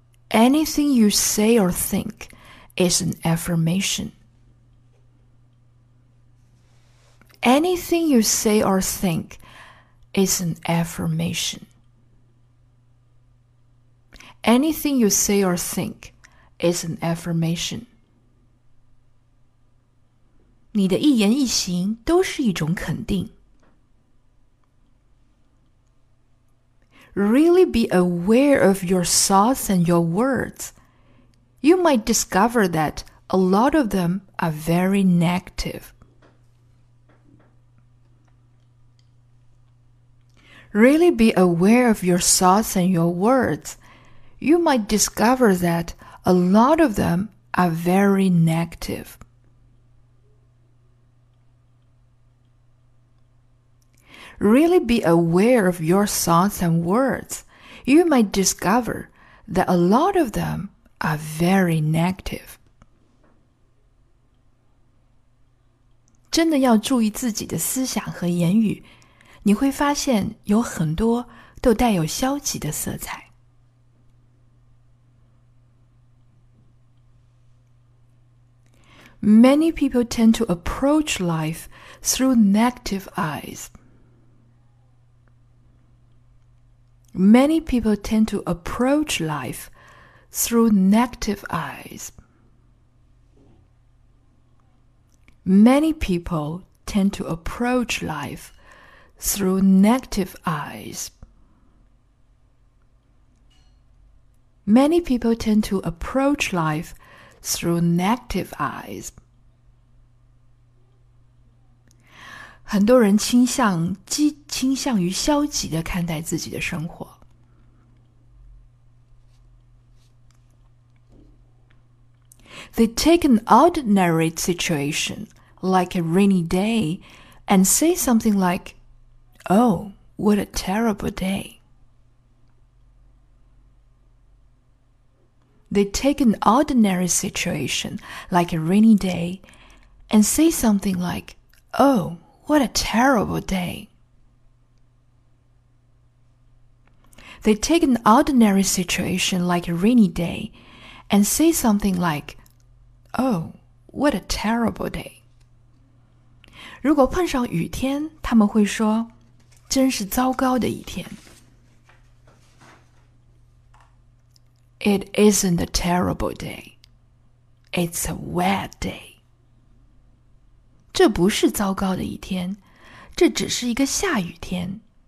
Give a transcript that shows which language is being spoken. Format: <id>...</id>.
<en>Anything you say or think is an affirmation. Anything you say or think is an affirmation. Anything you say or think is an affirmation.</en> <zh>你的一言一行都是一种肯定。</zh> <en>Really be aware of your thoughts and your words. You might discover that a lot of them are very negative. Really be aware of your thoughts and your words. You might discover that a lot of them are very negative. Really be aware of your thoughts and words. You might discover that a lot of them are very negative.</en> <zh>真的要注意自己的思想和言语，你会发现有很多都带有消极的色彩。</zh> <en>Many people tend to approach life through negative eyes. Many people tend to approach life through negative eyes. Many people tend to approach life through negative eyes. Many people tend to approach life through negative eyes.</en> <zh>很多人倾向于消极地看待自己的生活。</zh> <en>They take an ordinary situation, like a rainy day, and say something like, Oh, what a terrible day. They take an ordinary situation, like a rainy day, and say something like, Oh, what a terrible day. They take an ordinary situation, like a rainy day, and say something like,Oh, what a terrible day.</en> <zh>如果碰上雨天，他们会说，真是糟糕的一天。</zh> <en>It isn't a terrible day. It's a wet day.</en> <zh>这不是糟糕的一天，这只是一个下雨天。</zh>